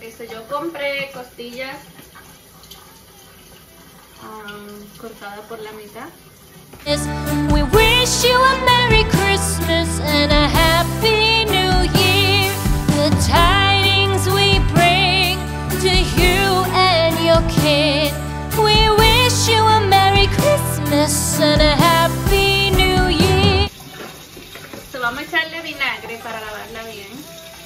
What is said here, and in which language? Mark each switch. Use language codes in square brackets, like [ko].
[es] Yo compré costillas cortadas por la mitad. [en] We wish you a Merry Christmas and a Happy New Year. The tidings we bring to you and your kin. We wish you a Merry Christmas and a Happy New Year. [es] So vamos a echarle vinagre para lavarla bien.